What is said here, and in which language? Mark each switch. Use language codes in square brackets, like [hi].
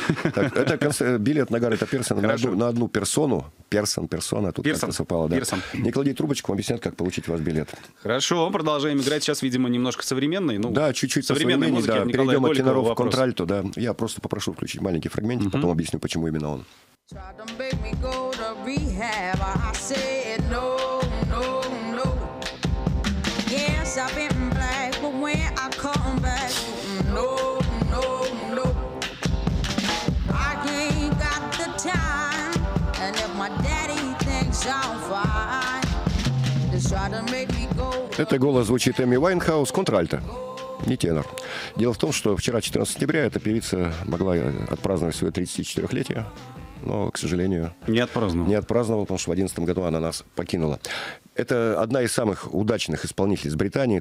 [ru] Это билет на Гаррета Пирсона на одну персону. Персона. Тут как-то совпало, да. Не клади трубочку, объяснят, как получить у вас билет. Хорошо, продолжаем играть. Сейчас, видимо, немножко современной. Да, чуть-чуть современной музыки. Перейдем от теноров в контральто. Я просто попрошу включить маленький фрагментик, потом объясню, почему именно он. [en] Tried to make me go to rehab, I said no, no, no. Yes, I've been black, but when I come back, no, no, no. I ain't got the time, and if my daddy thinks I'm fine, just try to make me go. [ru] Это голос звучит Эми Вайнхаус, контральто. Не тенор. Дело в том, что вчера, 14 сентября, эта певица могла отпраздновать свое 34-летие. Но, к сожалению, не отпраздновал, потому что в 2011 году она нас покинула. Это одна из самых удачных исполнителей из Британии.